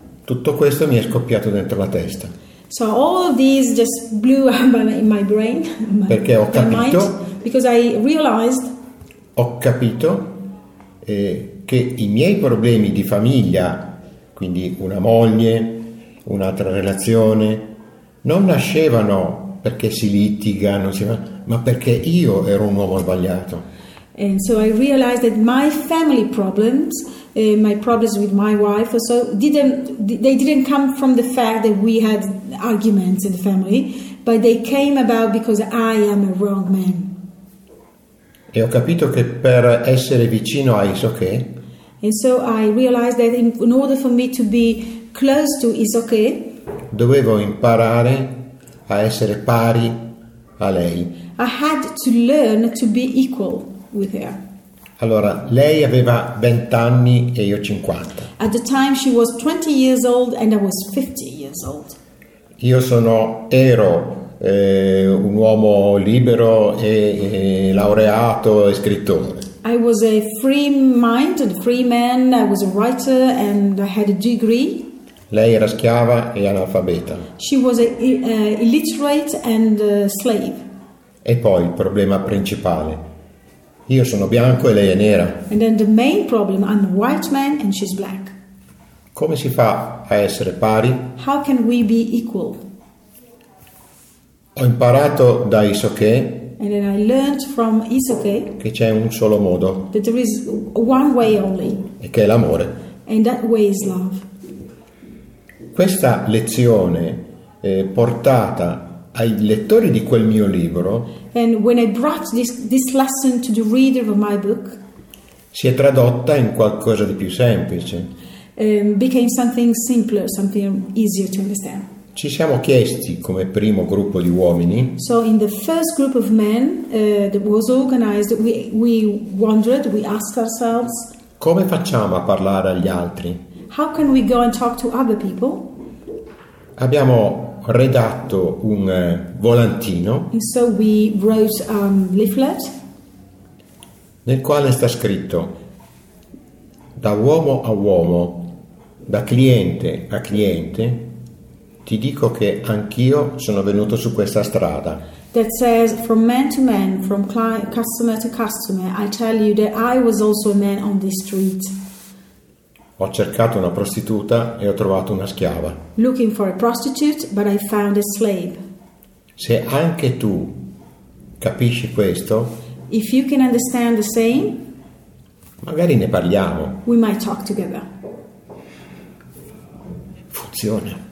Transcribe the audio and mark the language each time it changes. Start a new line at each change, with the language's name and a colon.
Italian: Tutto questo mi è scoppiato dentro la testa.
English: So all of these just blew up in my brain.
Italian: Perché ho capito.
English: Because I realized.
Italian: Ho capito che i miei problemi di famiglia, quindi una moglie, un'altra relazione, non nascevano perché si litiga, ma perché io ero un uomo sbagliato.
English: And so I realized that my family problems, my problems with my wife, so they didn't come from the fact that we had arguments in the family, but they came about because I am a wrong man.
Italian: E ho capito che per essere vicino a Isoké.
English: And so I realized that in order for me to be close to Isoké,
Italian: dovevo imparare a essere pari a lei.
English: I had to learn to be equal with her.
Italian: Allora, lei aveva 20 anni e io 50.
English: At the time she was 20 years old and I was 50 years old.
Italian: Io ero un uomo libero e laureato e scrittore.
English: I was a free mind and free man, I was a writer and I had a degree.
Italian: Lei era schiava e analfabeta.
English: She was illiterate and a slave.
Italian: E poi il problema principale. Io sono bianco e lei è nera.
English: And then the main problem, I'm a white man and she's black.
Italian: Come si fa a essere pari?
English: How can we be equal?
Italian: Ho imparato da Isoké.
English: And then I learned from Isoké
Italian: che c'è un solo modo.
English: That there is one way only.
Italian: E che è l'amore.
English: And that way is love.
Italian: Questa lezione portata ai lettori di quel mio libro.
English: And when I brought this lesson to the reader of my book,
Italian: si è tradotta in qualcosa di più semplice.
English: Became something simpler, something easier to understand.
Italian: Ci siamo chiesti come primo gruppo di uomini.
English: So in the first group of men that was organized, we wondered, we asked ourselves,
Italian: come facciamo a parlare agli altri?
English: How can we go and talk to other people?
Italian: Abbiamo redatto un volantino.
English: And so we wrote a leaflet.
Italian: Nel quale sta scritto, da uomo a uomo, da cliente a cliente, ti dico che anch'io sono venuto su questa strada.
English: That says from man to man, from client, customer to customer, I tell you that I was also a man on the street.
Italian: Ho cercato una prostituta e ho trovato una schiava.
English: Looking for a prostitute, but I found a slave.
Italian: Se anche tu capisci questo,
English: if you can understand the same,
Italian: magari ne parliamo.
English: We might talk together.
Italian: Funziona.